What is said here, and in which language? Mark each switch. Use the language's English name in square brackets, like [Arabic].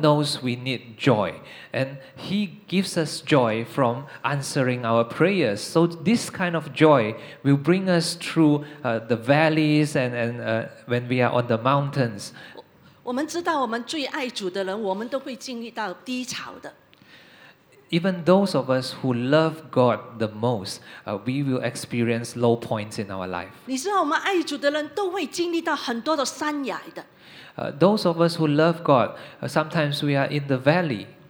[English] knows we need joy, and He gives us joy from answering our prayers. So this kind of joy will bring us through the valleys and when we are on the mountains. [Chinese] 我们知道我们最爱主的人,我们都会经历到低潮的。 [English] Even those of us who love God the most, we will experience low points in our life. [Chinese] 你知道我们爱主的人都会经历到很多的山崖的。 [English] Those of us who love God, sometimes we are in the valley.